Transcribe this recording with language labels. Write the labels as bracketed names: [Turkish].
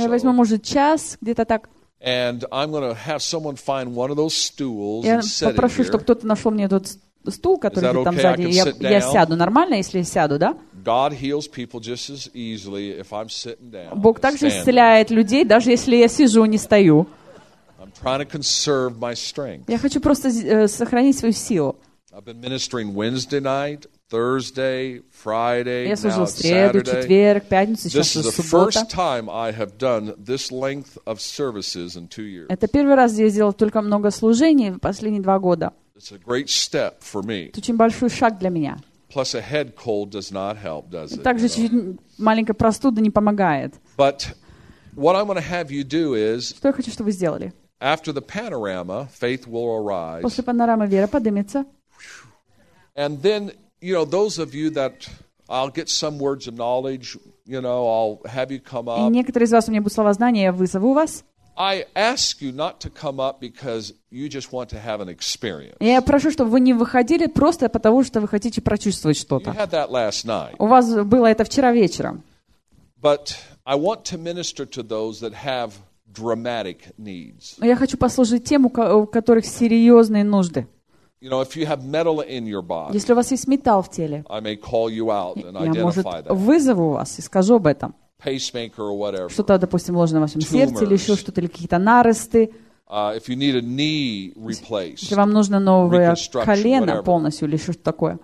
[Russian] Я возьму, может, час, где-то так. [English] And I'm going to have someone find one of those stools [Russian] я [English] and set it here. [Russian] Я попрошу, чтобы кто-то нашел мне тот стул, который [English] okay? [Russian] там сзади, я сяду. Нормально, если я сяду, да? [English] God heals people just as easily if I'm sitting down. [Russian] Бог также исцеляет людей, даже если я сижу, не стою. [English] I'm trying to conserve my strength. [Russian] Я хочу просто сохранить свою силу. [English] I've been ministering Wednesday night, Thursday, Friday, [Russian] Я служил в среду, четверг, пятницу, сейчас уже суббота. [English] This is the first time I have done this length of services in 2 years. [Russian] Это первый раз, где я сделал только много служений в последние 2 года. [English] It's a great step for me. [Russian] Это очень большой шаг для меня. [English] Plus, a head cold does not help, does it? [Russian] Также чуть-чуть маленькая простуда не помогает. [English] But what I'm going to have you do is. [Russian] Что я хочу, чтобы вы сделали? [English] After the panorama, faith will arise. [Russian] После панорамы вера поднимется. [English] And then, you know, those of you that I'll get some words of knowledge, you know, I'll have you come up. [Russian] И некоторые из вас у меня будут слова знания, я вызову вас. [English] I ask you not to come up because you just want to have an experience. [Russian] Я прошу, чтобы вы не выходили просто потому, что вы хотите прочувствовать что-то. [English] You had that last night. [Russian] У вас было это вчера вечером. [English] But I want to minister to those that have dramatic needs. [Russian] Я хочу послужить тем, у которых серьезные нужды. [English] You know, if you have metal in your body, [Russian] если у вас есть металл в теле, [English] I may call you out and identify that. [Russian] Я, может, вызову вас и скажу об этом. [English] Pacemaker or whatever. [Russian] Что-то, допустим, вложено в вашем сердце или еще что-то, или какие-то наросты. [English] If you need a knee replaced, [Russian] если вам нужно новое колено полностью или что-то такое.